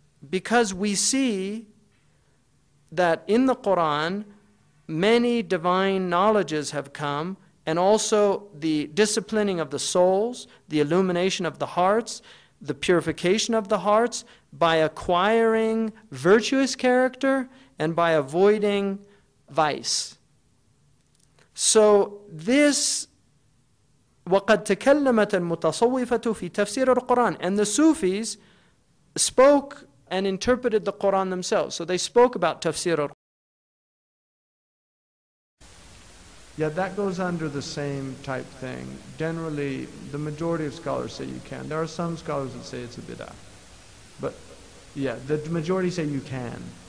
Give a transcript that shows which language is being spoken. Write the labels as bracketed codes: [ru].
[en] Because we see that in the Quran, many divine knowledges have come, and also the disciplining of the souls, the illumination of the hearts, the purification of the hearts, by acquiring virtuous character and by avoiding vice. So this, [ar] وَقَدْ تَكَلَّمَتَ الْمُتَصَوِّفَةُ فِي تَفْسِيرِ الْقُرْآنِ. [en] And the Sufis spoke and interpreted the Qur'an themselves. So they spoke about tafsir al-Qur'an. Yeah, that goes under the same type thing. Generally, the majority of scholars say you can. There are some scholars that say it's a bid'ah. But yeah, the majority say you can.